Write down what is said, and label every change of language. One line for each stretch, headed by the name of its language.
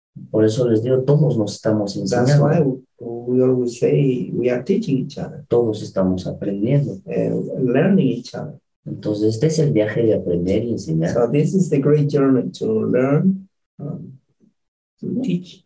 Spanish: Por eso les digo, todos nos estamos enseñando.
English: That's why we always say we are teaching each other.
Spanish: Todos estamos aprendiendo.
English: Learning each other.
Spanish: Entonces, este es el viaje de aprender y enseñar.
English: So this is the great journey to learn, to teach.